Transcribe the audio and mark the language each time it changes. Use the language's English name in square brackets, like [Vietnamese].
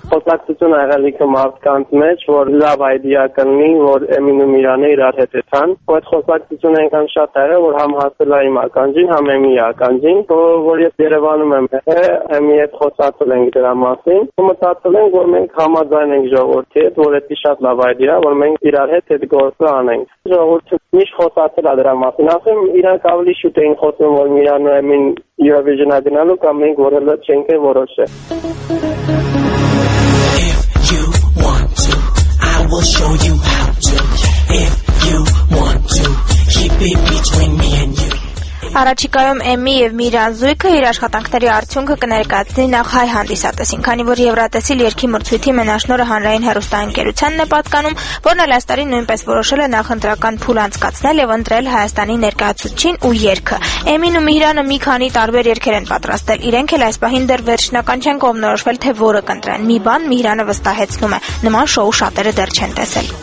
[Armenian] Խոսակցություն ա եղել ինքը մարդկանց մեջ, որ լավ այդիա կլինի, որ Էմին ու Միրանը իրար հետ եթան, ու այդ խոսակցությունը այնքան շատ ա եղել, որ համ հասել ա իմ ականջին, համ Էմիի ականջին, որ ես Երևանում եմ եղել, Էմի հետ խոսացել ենք դրա մասին, ու մտածել ենք, որ մենք համաձայն ենք ժողովրդի հետ, որ դա շատ լավ այդիա, որ մենք իրար հետ այդ գործը անենք։ Ժողովուրդը միշտ խոսացել ա դրա մասին, ասեմ, իրանք ավելի շուտ էին խոսում, որ Միրան ու Էմին Eurovision ա գնալու, կամ մենք որոշել չենք է որոշել։ [English] We'll show you how to if you want to keep it between me and you. [Armenian] Առաջիկայում Էմի և Միրան զույգը իր աշխատանքների արդյունքը կներկայացնի նախ հայ հանդիսատեսին, քանի որ Եվրատեսիլ երգի մրցույթի մենաշնորը հանրային հեռուստաընկերությանն է պատկանում, որն էլ այս տարի նույնպես որոշել է նախընտրական փուլ անցկացնել և ընտրել Հայաստանի ներկայացուցչին ու երգը։ Էմին ու Միրանը մի քանի տարբեր երգեր են պատրաստել, իրենք էլ այս պահին դեռ վերջնական չեն կողմնորոշվել, թե որը կընտրեն։ Մի բան Միրանը վստահեցնում է, նման շոու շատերը դեռ չեն տեսել։